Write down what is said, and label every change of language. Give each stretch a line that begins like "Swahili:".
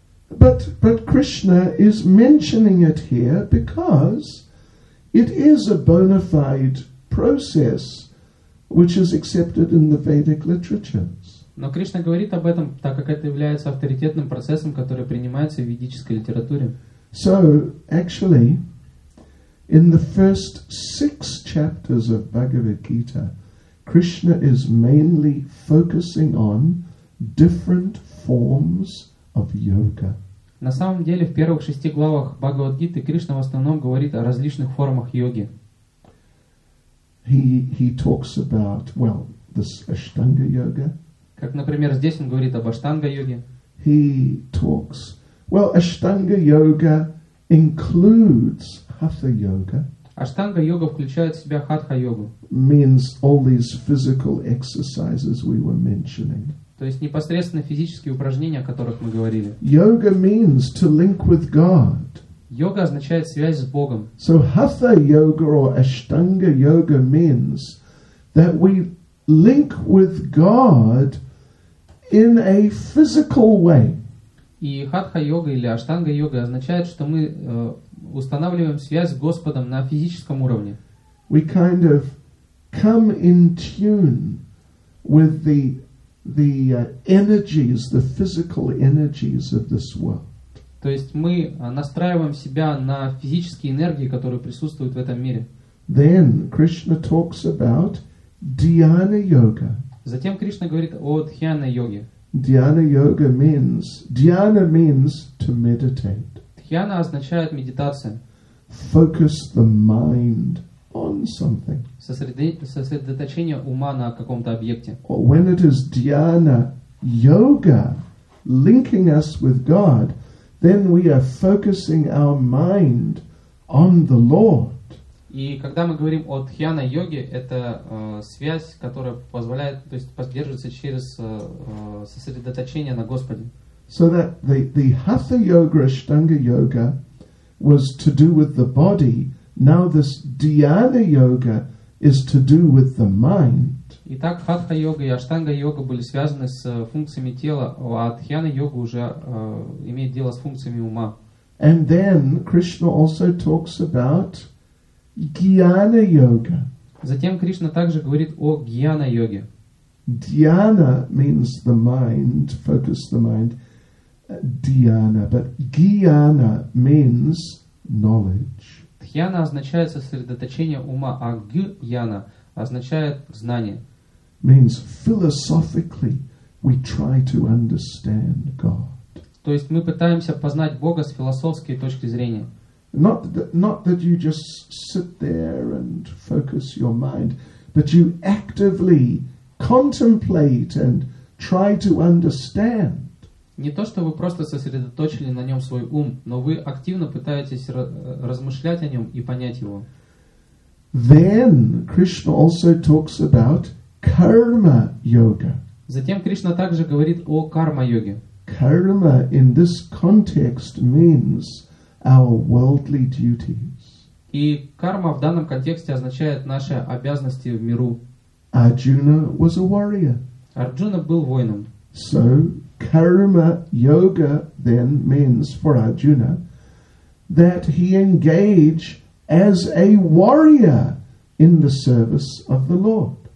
English: But Krishna is mentioning it here because it is a bona fide process which is accepted in the Vedic literatures.
Russian: Но Кришна говорит об этом, так как это является авторитетным процессом, который принимается в ведической литературе.
English: So, actually, in the first six chapters of Bhagavad Gita, Krishna is mainly focusing on different forms of yoga.
Russian: На самом деле, в первых шести главах Бхагавад-гиты Кришна в основном говорит о различных формах йоги.
English: He talks about, well, this Ashtanga yoga.
Russian: Как, например, здесь он говорит об Аштанга йоге.
English: He talks, well, Ashtanga yoga includes Hatha yoga.
Russian: Аштанга йога включает в себя хатха йогу.
English: Means all these physical exercises we were mentioning.
Russian: То есть непосредственно физические упражнения, о которых мы говорили.
English: Yoga means to link with God.
Russian: Йога означает связь с Богом.
English: So hatha yoga or ashtanga yoga means that we link with God in a physical way.
Russian: И хатха йога или аштанга йога означает, что мы устанавливаем связь с Господом на физическом уровне.
English: We kind of come in tune with the energies, the physical energies of this world.
Russian: То есть мы настраиваем себя на физические энергии, которые присутствуют в этом мире.
English: Then Krishna talks about dhyana yoga.
Russian: Затем Кришна говорит о дхьяна йоге.
English: Dhyana yoga means, dhyana means to meditate.
Russian: Дхьяна означает медитация.
English: Focus the mind on something.
Russian: Сосредоточение ума на каком-то объекте.
English: When it is dhyana yoga, linking us with God, then we are focusing our mind on the Lord.
Russian: И когда мы говорим о дхьяна йоге, это связь, которая позволяет, то есть поддерживается через сосредоточение на Господе.
English: So that the Hatha Yoga, Ashtanga Yoga was to do with the body. Now this Dhyana Yoga is to do with the mind.
Russian: Итак, Хатха Йога и Аштанга Йога были связаны с функциями тела, а Дхьяна Йога уже имеет дело с функциями ума.
English: And then Krishna also talks about Gyana Yoga.
Russian: Затем Кришна также говорит о Гьяна Йоге.
English: Dhyana means the mind, focus the mind. Dhyana, but Gyana means knowledge.
Russian: Dhyana означает сосредоточение ума, а Gyana означает знание.
English: Means philosophically we try to understand God.
Russian: То есть мы пытаемся познать Бога с философской точки зрения.
English: Not that you just sit there and focus your mind, but you actively contemplate and try to understand.
Russian: Не то, что вы просто сосредоточили на нем свой ум, но вы активно пытаетесь размышлять о нем и понять его.
English: Then Krishna also talks about karma yoga.
Russian: Затем Кришна также говорит о карма-йоге.
English: karma in this context means our worldly duties.
Russian: И карма в данном контексте означает наши обязанности в миру.
English: Arjuna was a warrior.
Russian: Арджуна был воином.
English: So karma yoga then means for Arjuna that he engage as a warrior in the service of the Lord.